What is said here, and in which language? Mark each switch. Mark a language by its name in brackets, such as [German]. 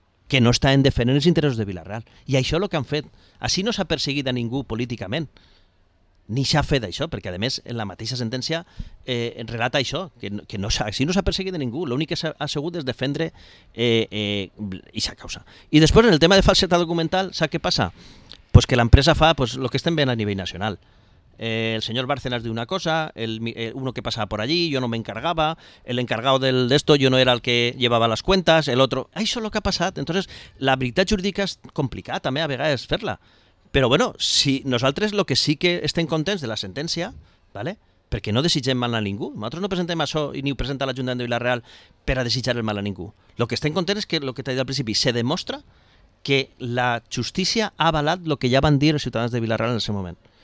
[Catalan] Que no estan defendent els interessos de Vila-real. I això és el que han fet. Així no s'ha perseguit a ningú políticament. Ni s'ha fet això, perquè a més en la mateixa sentència relata això, que no, així no s'ha perseguit a ningú. L'únic que s'ha assegut és defendre aquesta causa. I després, en el tema de falsedat documental, sap què passa? Pues que l'empresa fa pues, el que estem veient a nivell nacional. [Spanish] El señor Bárcenas [Catalan] diu una cosa, [Spanish] uno que pasaba por allí, yo no me encargaba, el encargado de esto, yo no era el que llevaba las cuentas, el otro... [Catalan] Això és el que ha passat. Entonces, la veritat jurídica és complicada també a vegades fer-la. Però bueno, si nosaltres el que sí que estem contents de la sentència, ¿vale?, perquè no desitgem mal a ningú, nosaltres no presentem això ni ho presenta l'Ajuntament de Vila-real per a desitjar el mal a ningú. El que estem contents és que el que t'he dit al principi se demostra que la justícia ha avalat el que ja van dir els ciutadans de Vila-real en el seu moment.